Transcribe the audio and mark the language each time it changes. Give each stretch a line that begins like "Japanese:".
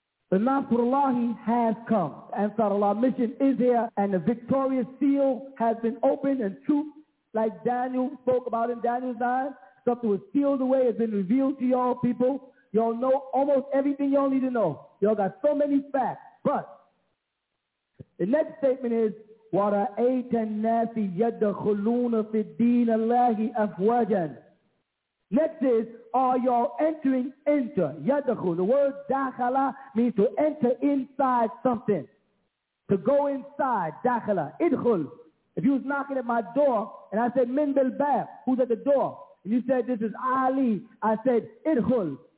English: The Nasrullah has come. Ansarullah mission is here and the victorious seal has been opened and truth, like Daniel spoke about in Daniel 9, something was sealed away, it's been revealed to y'all people. Y'all know almost everything y'all need to know. Y'all got so many facts. But the next statement is,
Arabic: وَرَأَيْتَ النَّاسِ يَدَّخُلُونَ فِي الدِّينَ اللَّهِ أَفْوَجًا.
English: Next is, are y'all entering into?
Arabic: يَدَّخُل.
English: The word دَخَلَ means to enter inside something. To go inside.
Arabic: دَخَلَ. إِدْخُل.
English: If you was knocking at my door, and I said,
Arabic: مِنْ بِالْبَابِ.
English: Who's at the door? And you said, this is Ali. I said, إِدْخُل.